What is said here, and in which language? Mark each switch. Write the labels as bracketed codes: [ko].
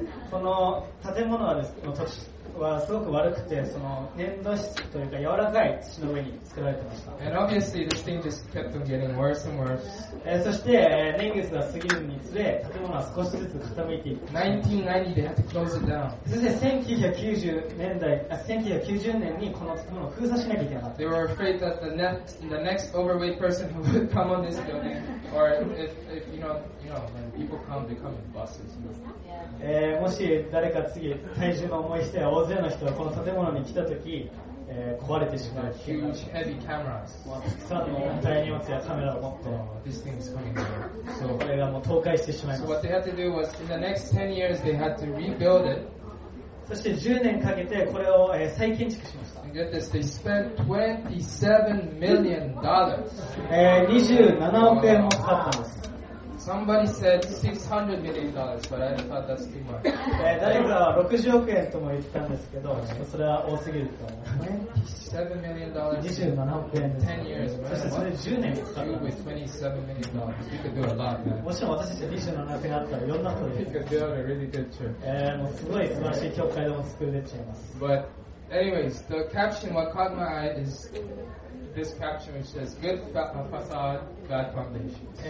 [ja] この建物はですね、土地はすごく悪くて、その粘土質というか柔らかい土の上に作られてました。 [en] And obviously this thing just kept on getting worse and worse. [ja] そして、年月が過ぎるにつれ、建物は少しずつ傾いていく。 [en] 1990 they had to close it down. [ja] そして1990年にこの建物を封鎖しなきゃいけなかった。 [en] They were afraid that the next overweight person who would come on this building, or if you know, when people come, they come in buses. [ja] もし誰か次体重の重い人や大勢の人がこの建物に来たとき、壊れてしまう。 [en] Huge heavy cameras。 [ja] たくさんの大荷物やカメラを持って。 [en] This thing is coming down。 [ja] そう、これがもう倒壊してしまいます。 [en] So what they had to do was in the next 10 years they had to rebuild it。 [ja] そして10年かけてこれを再建築しました。 [en] And get this, they spent $27 million。 [ja] 27億円もかかったんです。 [en] Somebody said $600 million, but I thought that's too much. [ja] 誰かは60億円とも言ったんですけど、それは多すぎると思う。 [en] $27 million. [ja] 27億円です。 [en] 10 years, [ja] そしてそれ10年使った。 [en] You with $27 million, you could do a lot, man. [ja] もしも私たち27億円あったら、いろんなことで。 [en] You could build a really good church. [ja] もうすごい素晴らしい教会でも作れちゃいます。 [en] But Anyways, the caption, what caught my eye is this caption which says, good facade, bad foundation.